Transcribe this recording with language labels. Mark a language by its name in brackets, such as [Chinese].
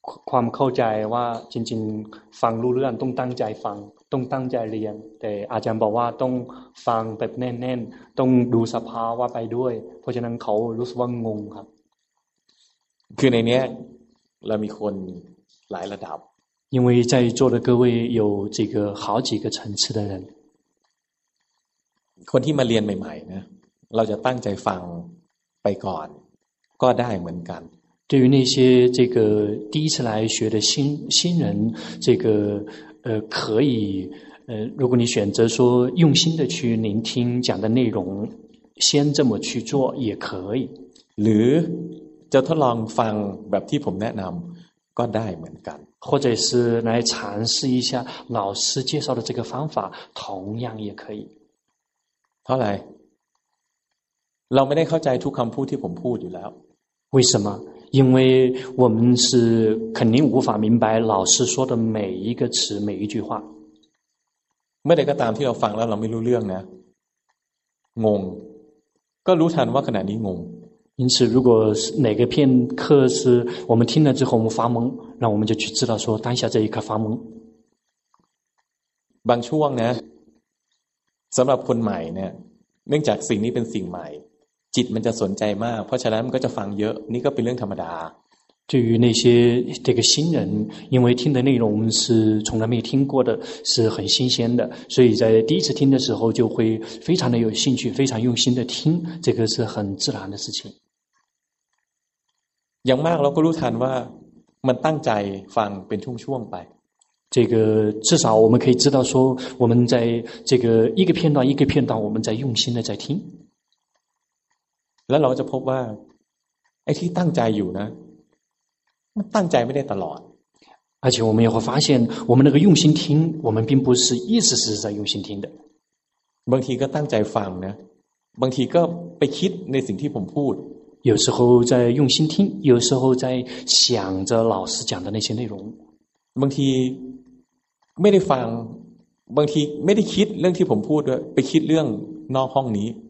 [Thai] ความเข้าใจว่าจริงๆฟังรู้เรื่องต้องตั้งใจฟัง ต้องตั้งใจเรียนแต่อาจารย์บอกว่าต้องฟังแบบแน่นๆต้องดูสภาวะไปด้วยเพราะฉะนั้นเขารู้สึกว่างงครับ คือในนี้เรามีคนหลายระดับ [Chinese] 因为在座的各位有这个好几个层次的人 [Thai] คนที่มาเรียนใหม่ๆนะเราจะตั้งใจฟังไปก่อนก็ได้เหมือนกัน [Chinese] 对于那些这个第一次来学的新人这个可以如果你选择说用心的去聆听讲的内容先这么去做也可以 [Thai] หรือจะทดลองฟังแบบที่ผมแนะนำก็ได้เหมือนกัน [Chinese] 或者是来尝试一下老师介绍的这个方法同样也可以 [Thai] เท่าไหร่เราไม่ได้เข้าใจทุกคำพูดที่ผมพูดอยู่แล้ว [Chinese] 为什么因为我们是肯定无法明白老师说的每一个词每一句话 [Thai] ไม่ได้ก็ตามที่เราฟังแล้วเราไม่รู้เรื่องนะงงก็รู้ทันว่าขณะนี้งง [Chinese] 因此如果哪个片刻是我们听了之后我们发懵那我们就去知道说当下这一刻发懵 [Thai] บางช่วงนะสำหรับคนใหม่เนี่ยเนื่องจากสิ่งนี้เป็นสิ่งใหม่จิตมันจะสนใจมากเพราะฉะนั้นมันก็จะฟังเยอะนี่ก็เป็นเรื่องธรรมดา [Chinese] 对于那些这个新人因为听的内容是从来没听过的是很新鲜的所以在第一次听的时候就会非常的有兴趣非常用心的听这个是很自然的事情 [Thai] อย่างมากเราก็รู้ทันว่ามันตั้งใจฟังเป็นช่วงๆไป [Chinese] 这个至少我们可以知道说我们在这个一个片段一个片段我们在用心的在听 [Thai] แล้วเราจะพบว่าไอ้ที่ตั้งใจอยู่นะมันตั้งใจไม่ได้ตลอด [Chinese] 而且我们也会发现我们那个用心听我们并不是一直是在用心听的 [Thai] บางทีก็ตั้งใจฟังนะบางทีก็ไปคิดในสิ่งที่ผมพูด [Chinese] 有时候在用心听有时候在想着老师讲的那些内容 [Thai] บางทีไม่ได้ฟังบางทีไม่ได้คิดเรื่องที่ผมพูดด้วยไปคิดเรื่องนอกห้องนี้